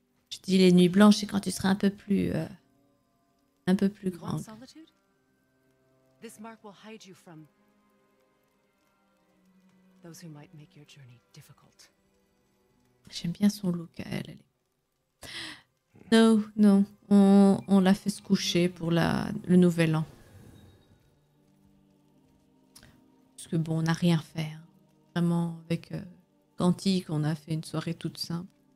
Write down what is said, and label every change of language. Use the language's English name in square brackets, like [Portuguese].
[French] Je dis les nuits blanches, et quand tu seras un peu plus grande. [English] You want solitude? This mark will hide you from those who might make your journey difficult. [French] J'aime bien son look à elle. Allez. Non, on l'a fait se coucher pour le nouvel an. Parce que bon, on n'a rien fait. Hein. Vraiment, avec Cantique, on a fait une soirée toute simple.